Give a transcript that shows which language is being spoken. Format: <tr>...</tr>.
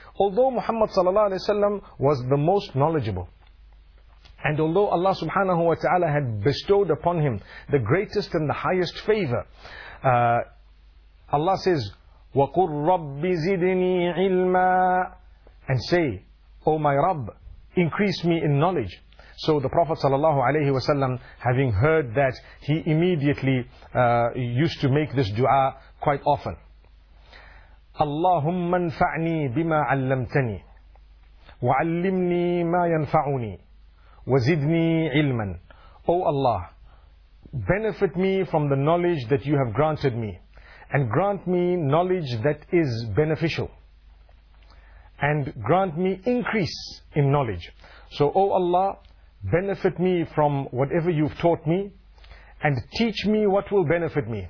<en>Although Muhammad sallallahu alaihi wasallam was the most knowledgeable, and although Allah subhanahu wa ta'ala had bestowed upon him the greatest and the highest favor, Allah says,</en> <ar>وَقُلْ رَبِّ زِدْنِي عِلْمًا,</ar> <en>and say, oh my Rabb, increase me in knowledge. So the Prophet sallallahu alaihi wasallam, having heard that, he immediately used to make this dua quite often.</en> <ar>اللهم انفعني بما علمتني وعلمني ما ينفعني وزدني علما.</ar> <en>O Allah, benefit me from the knowledge that you have granted me, and grant me knowledge that is beneficial, and grant me increase in knowledge. So O Allah, benefit me from whatever you've taught me, and teach me what will benefit me.</en>